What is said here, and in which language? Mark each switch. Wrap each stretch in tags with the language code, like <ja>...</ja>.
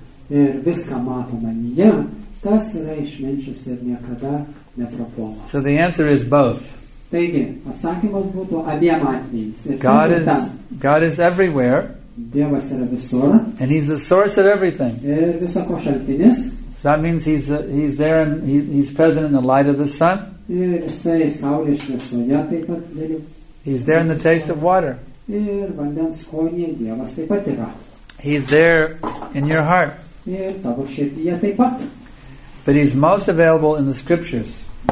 <lt>Ir viską mato manyje, tas yra išminčius ir niekada neprapuola.</lt> <en>So the answer is both.</en> <lt>Taigi, atsakymas būtų abiem atvejais.</lt> <en>God is everywhere.</en> <lt>Dievas yra visur.</lt> <en>And he's the source of everything.</en> <lt>Ir viso ko šaltinis.</lt> <en>That means he's there and he's present in the light of the sun.</en> <lt>Ir jisai saulės šviesoje taip pat dalyvauja.</lt> <en>He's there in the taste of water.</en> <lt>Ir vandens skonyje Dievas taip pat yra.</lt> <en>He's there in your heart. But he's most available in the scriptures.</en>